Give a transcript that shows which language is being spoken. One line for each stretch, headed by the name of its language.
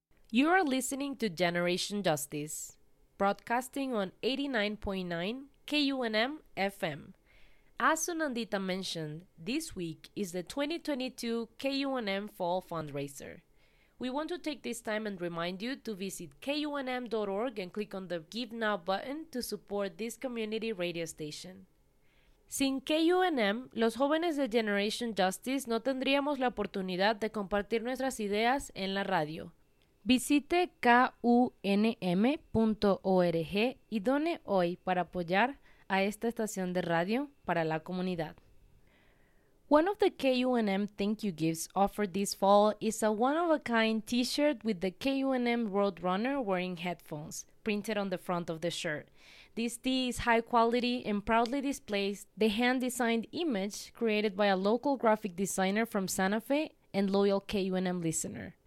English: You are listening to Generation Justice, broadcasting on 89.9 KUNM FM. As Sunandita mentioned, this week is the 2022 KUNM Fall Fundraiser. We want to take this time and remind you to visit KUNM.org and click on the Give Now button to support this community radio station.
Spanish: Sin KUNM, los jóvenes de Generation Justice no tendríamos la oportunidad de compartir nuestras ideas en la radio. Visite kunm.org y done hoy para apoyar a esta estación de radio para la comunidad.
English: One of the KUNM Thank You Gifts offered this fall is a one-of-a-kind t-shirt with the KUNM Roadrunner wearing headphones printed on the front of the shirt. This tee is high quality and proudly displays the hand-designed image created by a local graphic designer from Santa Fe and loyal KUNM listener.